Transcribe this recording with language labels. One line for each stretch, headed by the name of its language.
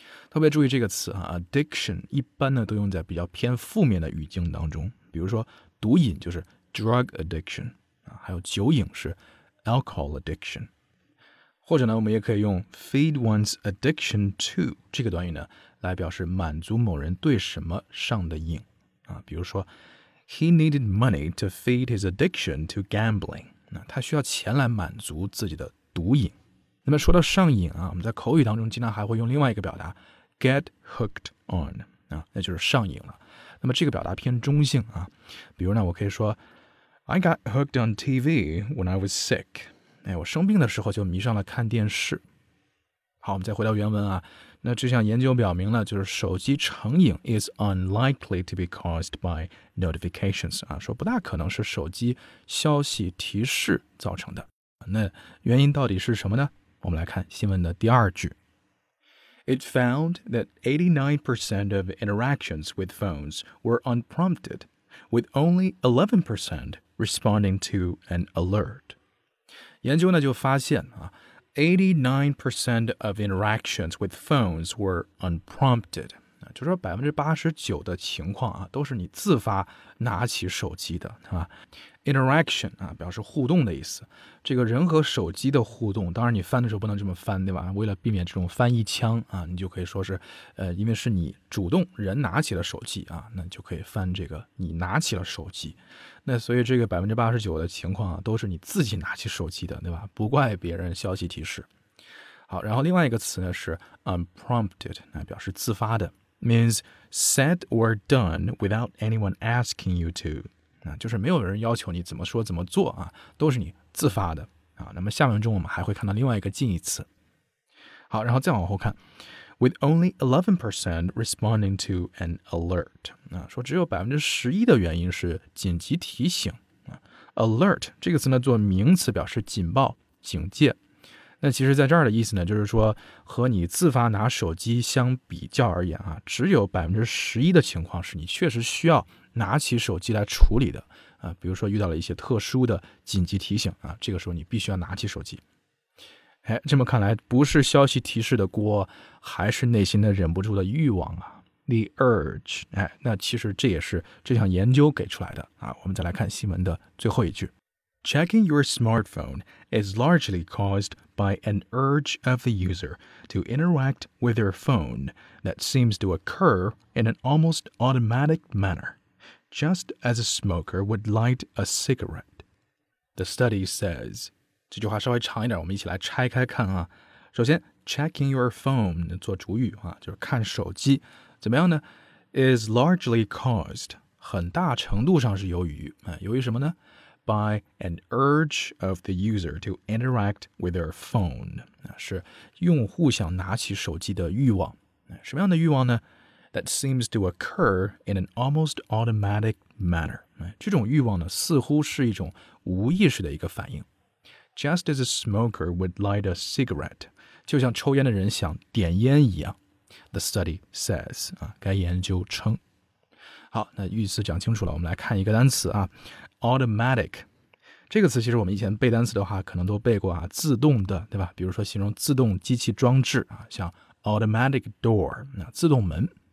Chinese: 特别注意这个词啊 ，addiction 一般呢都用在比较偏负面的语境当中，比如说毒瘾就是
English: drug addiction
Chinese: 啊，还有酒瘾是
English: alcohol addiction，
Chinese: 或者呢，我们也可以用
English: feed one's addiction to
Chinese: 这个短语呢来表示满足某人对什么上的瘾啊，比如说
English: he needed money to feed his addiction to gambling，
Chinese: 那他需要钱来满足自己的毒瘾。那么说到上瘾啊，我们在口语当中经常还会用另外一个表达
English: get hooked on
Chinese: 啊，那就是上瘾了。那么这个表达偏中性啊，比如呢，我可以说
English: I got hooked on TV when I was sick。
Chinese: 哎，我生病的时候就迷上了看电视。好，我们再回到原文啊，那这项研究表明了，就是手机成瘾
English: is unlikely to be caused by notifications
Chinese: 啊，说不大可能是手机消息提示造成的。那原因到底是什么呢？我们来看新闻的第二句。
English: It found that 89% of interactions with phones were unprompted, with only 11% responding to an alert.
Chinese: 研究呢就发现啊 89%
English: of interactions with phones were unprompted.
Chinese: 就说 89% 的情况啊都是你自发拿起手机的啊。 Interaction 啊表示互动的意思。这个人和手机的互动，当然你翻的时候不能这么翻，对吧？为了避免这种翻译腔啊，你就可以说是因为是你主动人拿起了手机啊，那就可以翻这个你拿起了手机。那所以这个 89% 的情况啊都是你自己拿起手机的，对吧？不怪别人消息提示。好，然后另外一个词呢是 unprompted, 那表示自发的。
English: means said or done without anyone asking you to.
Chinese: 啊，就是没有人要求你怎么说怎么做啊，都是你自发的。啊，那么下文中我们还会看到另外一个近义词。好，然后再往后看。
English: With only 11% responding to an alert.
Chinese: 啊，说只有 11% 的原因是紧急提醒。啊，alert 这个词呢做名词表示警报警戒。那其实在这儿的意思呢就是说和你自发拿手机相比较而言啊，只有 11% 的情况是你确实需要拿起手机来处理的啊，比如说遇到了一些特殊的紧急提醒啊，这个时候你必须要拿起手机。哎，这么看来不是消息提示的锅，还是内心的忍不住的欲望啊，
English: The urge。
Chinese: 哎，那其实这也是这项研究给出来的啊。我们再来看新闻的最后一句。
English: Checking your smartphone is largely caused by an urge of the user to interact with their phone that seems to occur in an almost automatic manner, just as a smoker would light a cigarette. The study says,
Chinese: 这句话稍微长一点，我们一起来拆开看啊。首先 ,
English: checking your phone,
Chinese: 做主语啊，就是看手机。怎么样呢
English: ?is largely caused,
Chinese: 很大程度上是由于什么呢
English: By an urge of the user to interact with their phone.
Chinese: 是用户想拿起手机的欲望。什么样的欲望呢
English: ?That seems to occur in an almost automatic manner.
Chinese: 这种欲望呢似乎是一种无意识的一个反应。
English: Just as a smoker would light a cigarette.
Chinese: 就像抽烟的人想点烟一样。
English: The study says,
Chinese: 该研究称。好，那意思讲清楚了，我们来看一个单词啊。 Automatic 这个词其实我们以前背单词的话可能都背过啊，自动的，对吧？比如说形容自动机器装置啊，像
English: automatic door
Chinese: 那自动门。